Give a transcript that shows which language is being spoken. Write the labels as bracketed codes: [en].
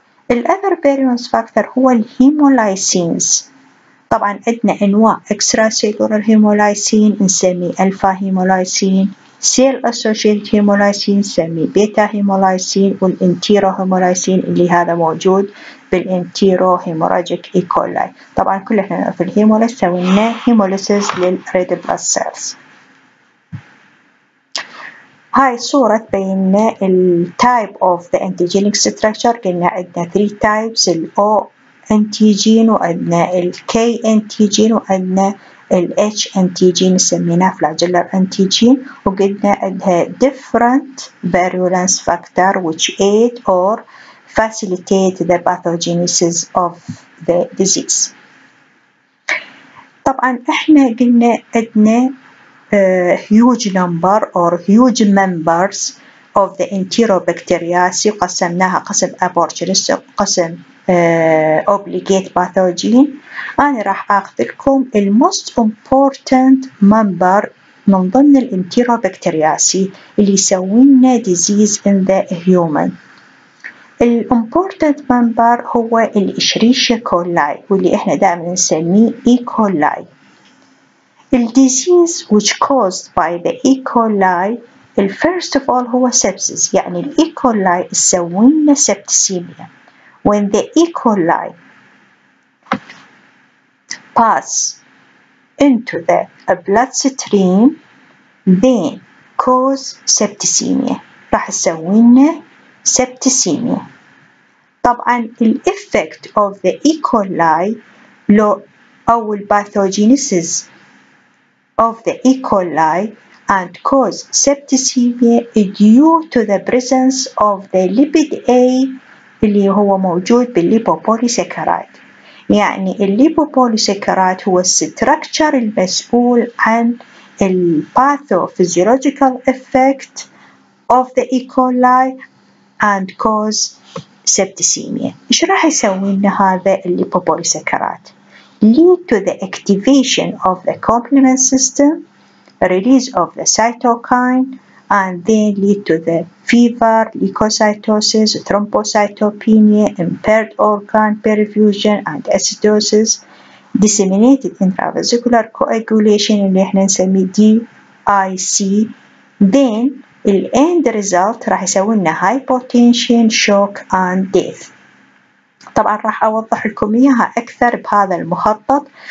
[ar] الأثر فيرولنس فاكتور هو الهيمولايسينز, طبعا عندنا انواع اكسترا سيلولار هيمولايسين نسميه الفا هيمولايسين, سيل اسوشيتد هيمولايسين نسميه بيتا هيمولايسين, والانتيرو هيمولايسين اللي هذا موجود بالانتيرو هيموراجيك ايكولاي. طبعا كل احنا في الهيمولايس سوينا هيموليسيس للريد بلاد سيلز. هاي صورة تبين [en] الـ type of the antigenic structure. [ar] قلنا عندنا 3 types: الـ O antigen، وعندنا الـ K antigen، وعندنا الـ H antigen سميناه [en] flagellar antigen. [ar] وقلنا عندها [en] different virulence factor which aid or facilitate the pathogenesis of the disease. [ar] طبعا احنا قلنا عندنا [en] huge number or huge members of the enterobacteriaceae، [ar] قسمناها قسم opportunistic قسم [en] obligate pathogen. [ar] انا راح اخذ لكم ال [en] most important member [ar] من ضمن ال enterobacteriaceae اللي يسوي لنا [en] disease in the human. [ar] ال important member هو الاشريشيا كولاي، واللي احنا دائما نسميه اي كولاي. [en] The disease which caused by the E. coli, first of all, [ar] هو [en] sepsis. [ar] يعني [en] E. coli [ar] سوينا [en] septicemia. When the E. coli pass into the bloodstream, then cause septicemia. [ar] راح سوينا septicemia. طبعا [en] the effect of the E. coli أو pathogenesis of the E. coli and cause septicemia due to the presence of the lipid A [ar] اللي هو موجود بالليبوبوليسكرات. يعني الليبوبوليسكرات هو الستركتشر المسؤول عن الباثوفيزيولوجيكال [en] effect of the E. coli and cause septicemia. [ar] ايش راح يسوي لنا هذا الليبوبوليسكرات؟ [en] lead to the activation of the complement system, release of the cytokine, and then lead to the fever, leukocytosis, thrombocytopenia, impaired organ perfusion and acidosis, disseminated intravesicular coagulation [ar] اللي احنا نسميه [en] DIC. Then the end result [ar] راح يسوي لنا [en] hypotension, shock and death. [ar] طبعا راح اوضح لكم اياها اكثر بهذا المخطط.